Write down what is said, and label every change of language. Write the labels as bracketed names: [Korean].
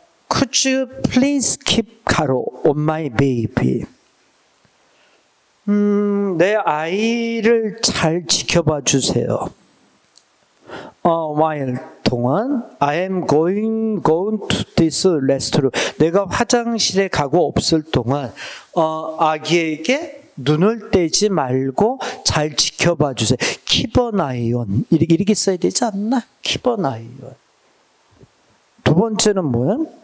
[English] Could you please keep Caro on my baby? [Korean] 내 아이를 잘 지켜봐 주세요. [English] While [Korean] 동안 [English] I am going to this restroom. [Korean] 내가 화장실에 가고 없을 동안 아기에게 눈을 떼지 말고 잘 지켜봐 주세요. [English] Keep an eye on. [Korean] 이렇게 써야 되지 않나? [English] Keep an eye on. [Korean] 두 번째는 뭐야?